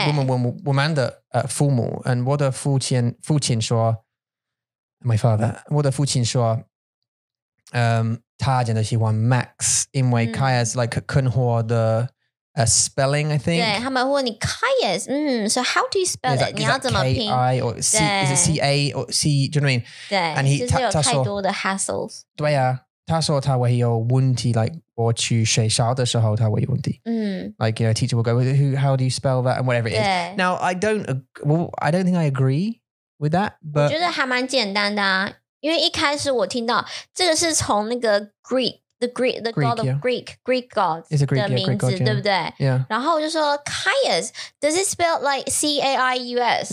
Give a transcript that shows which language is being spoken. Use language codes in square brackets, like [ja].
[zh] 我们的父母。And 我的父亲说, [en] my father, [zh] 我的父亲说, 他真的喜欢 Max, 因为 Caius, like, 更好的 spelling, [en] I think. [zh] 对,他们问你 Caius, [en] so how do you spell it? [zh] 你要怎么拼? [en] K-I or C, is it C-A or C, do you know what I mean? [zh] 对, and 就是有太多的 hassles. 对啊,他说他会有问题, like, 我去学校的时候他会有问题。 [en] Like, you know, teacher will go, how do you spell that? And whatever it is. Now, I don't think I agree with that, but... [zh] 我觉得还蛮简单的啊,因为一开始我听到,这个是从那个 Greek, [en] The Greek god of Greek gods. It's a Greek, yeah, Greek god, yeah. [zh] 对不对? Yeah. 然后我就说, Caius, [en] does it spell like C-A-I-U-S?